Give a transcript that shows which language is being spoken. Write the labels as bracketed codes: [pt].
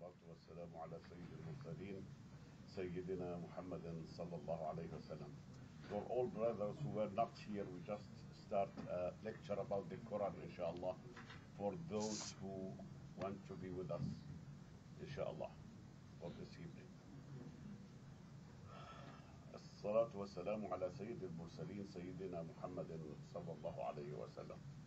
[ar] والسلام على سيد المرسلين سيدنا محمد صلى الله عليه وسلم. [en] For all brothers who were not here, we just start a lecture about the Quran, inshallah, for those who want to be with us, inshallah, for this evening. [ar] الصلاة والسلام على سيد المرسلين سيدنا محمد صلى الله عليه وسلم.